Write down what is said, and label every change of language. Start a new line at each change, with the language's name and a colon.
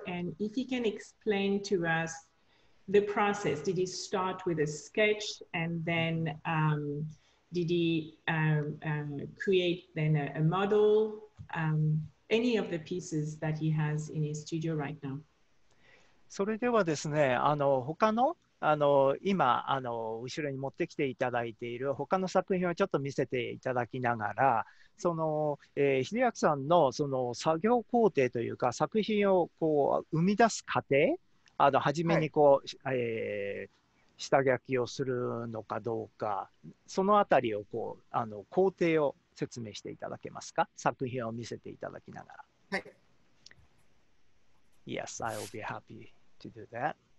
English: And if he can explain to us the process, did he start with a sketch and then did he create then a model? Any of the pieces that he has in his studio right now?
Japanese: それではですね、あの他の、あの今あの後ろに持ってきていただいている他の作品をちょっと見せていただきながら、その、秀明さんの、その作業工程というか作品をこう生み出す過程、あの初めにこう、はい、下書きをするのかどうか、そのあたりをこうあの工程を説明していただけますか、作品を見せていただきながら。はい。
English: Yes, I will be happy to do that.